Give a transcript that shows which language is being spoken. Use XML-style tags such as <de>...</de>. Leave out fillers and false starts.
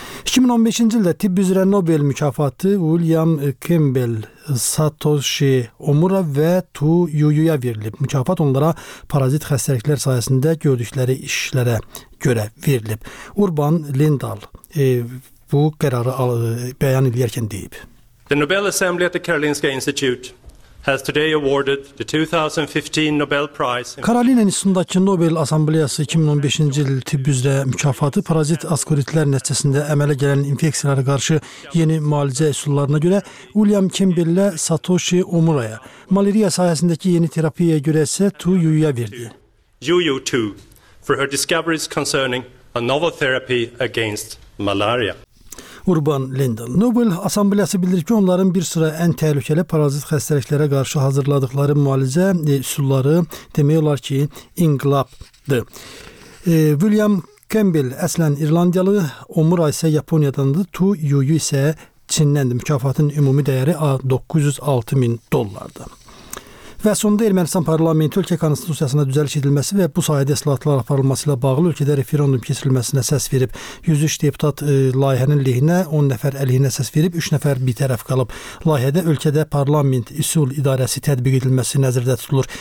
<az>2015-ci ildə tibb üzrə Nobel mükafatı William Campbell, Satoshi Omura və Tu Yuyuya verilib. Mükafat onlara parazit xəstəliklər sayəsində gördükləri işlərə görə verilib. Urban Lindahl bu qərarı bəyan edərkən deyib.</az> <en>The Nobel Assembly at the Karolinska Institute has today awarded the 2015 Nobel Prize.</en> <az>Karolina İnstitutundakı Nobel Assembleyası 2015-ci il tibb üzrə mükafatı parazit askoritlər nəticəsində əmələ gələn infeksiyalara qarşı yeni müalicə üsullarına görə William Campbell-lə Satoshi Omura'ya, malaria sahəsindəki yeni terapiyaya görə isə Tu Yuya verdi.</az> <en>Yuyu Tu for her discoveries concerning a novel therapy against malaria.</en> <az>Urban Lindahl. Nobel Assembleyası bildirir ki, onların bir sıra ən təhlükəli parazit xəstəliklərə qarşı hazırladıqları müalicə üsulları demək olar ki, inqilabdır. William Campbell əslən İrlandiyalı, Omura isə Yaponiyadandır, Tu Yuyu isə Çin'dendir. Mükafatın ümumi değeri $906,000. Və sonunda Ermənistan parlamenti ölkə konstitusiyasına düzəliş edilməsi və bu sahədə islahatlar aparılması ilə bağlı ölkədə referendum keçirilməsinə səs verib. 103 deputat layihənin lehinə, 10 nəfər əleyhinə səs verib, 3 nəfər bir tərəf qalıb. Layihədə ölkədə parlament üsul idarəsi tətbiq edilməsi nəzərdə tutulur.</az>